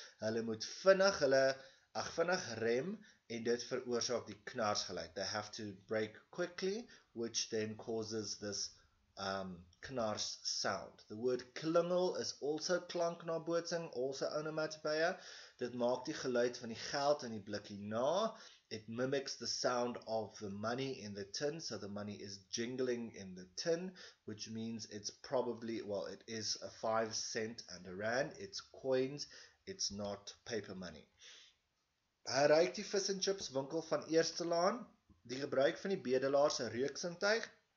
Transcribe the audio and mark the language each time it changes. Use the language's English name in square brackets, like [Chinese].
[Afrikaans] Hulle moet vinnig rem en dit veroorsaak die knarsgeluid. [English] They have to brake quickly, which then causes this knars sound. The word klingel is also klanknabootsing, also onomatopoeia. [Afrikaans] Dit maak die geluid van die geld in die blikkie na. [English] It mimics the sound of the money in the tin, so the money is jingling in the tin, which means it's probably, well, it is a 5 cent and a rand. It's coins, it's not paper money. [Afrikaans] Hy ruik die vis en chips winkel van Eerstelaan, die gebruik van die bedelaar se reuksintuig.